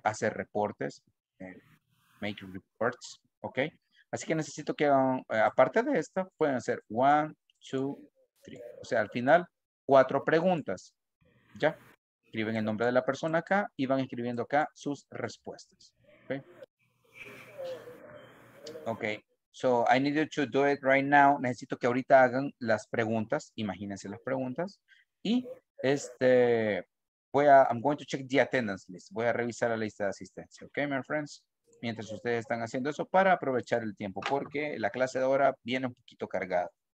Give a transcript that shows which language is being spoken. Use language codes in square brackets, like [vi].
[es] ¿Haces reportes? [en] ¿Make reports? ¿Ok? [es] Así que necesito que, aparte de esta, pueden hacer 1, 2, 3. O sea, al final, 4 preguntas. ¿Ya? Escriben el nombre de la persona acá y van escribiendo acá sus respuestas. [en] Okay. Okay. So I need you to do it right now. [es] Necesito que ahorita hagan las preguntas. Imagínense las preguntas. Y este, [en] I'm going to check the attendance list. [es] Voy a revisar la lista de asistencia. [en] Okay, my friends. [es] Mientras ustedes están haciendo eso para aprovechar el tiempo. Porque la clase de ahora viene un poquito cargada.